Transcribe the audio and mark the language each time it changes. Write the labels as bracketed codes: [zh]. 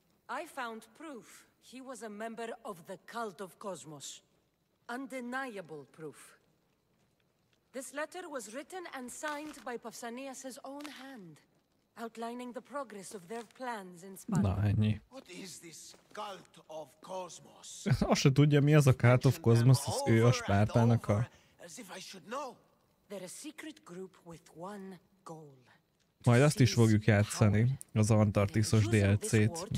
[en] I found proof he was a member of the Cult of Cosmos. Undeniable proof. This letter was written and signed by Pausanias's own hand, outlining the progress of their plans in Sparta. What is this Cult of Cosmos? [hu] Azt se tudja, mi az a Cult of Cosmos, az ő a Spártának a... [en] As if I should know. They're a secret group with one goal. [hu] Majd azt is fogjuk játszani, az Antarktiszos DLC-t.